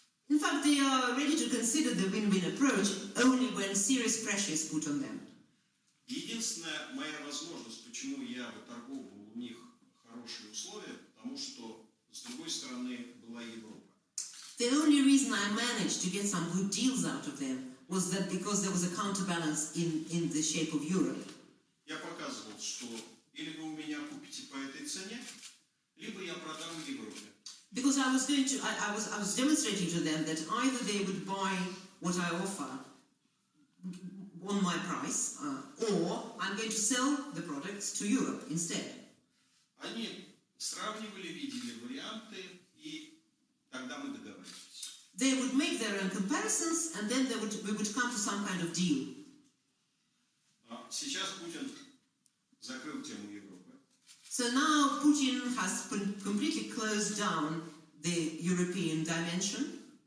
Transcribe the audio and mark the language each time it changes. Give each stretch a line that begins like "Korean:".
English: In fact, they are ready to consider the win-win approach only when serious pressure is put on them.
Russian: Единственная моя возможность, почему я выторговывал у них хорошие условия, потому что с другой стороны была Европа.
English: The only reason I managed to get some good deals out of them was that because there was a counterbalance in the shape of Europe.
Russian: Я показывал, что или вы у меня купите по этой цене, либо я продам в Европе.
English: Because I was demonstrating to them that either they would buy what I offer on my price, or I'm going to sell the products to Europe instead.
Russian: Они сравнивали, видели варианты, и тогда мы договорились.
English: They would make their own comparisons, and then we would come to some kind of deal.
Russian: Сейчас Путин закрыл тему Европы.
English: So now Putin has completely closed down the European dimension.